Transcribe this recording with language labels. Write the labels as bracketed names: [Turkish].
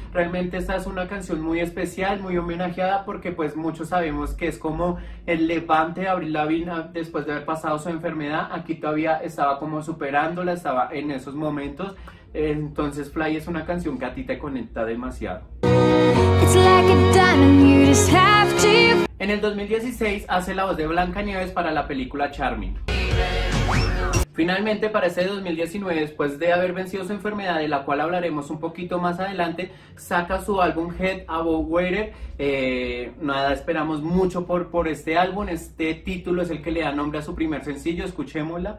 [Spanish] Realmente esta es una canción muy especial, muy homenajeada, porque pues muchos sabemos que es como el levante de Avril Lavigne después de haber pasado su enfermedad. Aquí todavía estaba como superándola, estaba en esos momentos. Entonces Fly es una canción que a ti te conecta demasiado. [English] It's like a diamond, you just have to... [Spanish] En el 2016 hace la voz de Blancanieves para la película Charming. Finalmente, para este 2019, después de haber vencido su enfermedad, de la cual hablaremos un poquito más adelante, saca su álbum Head Above Water. Nada, esperamos mucho por este álbum. Este título es el que le da nombre a su primer sencillo. Escuchémosla.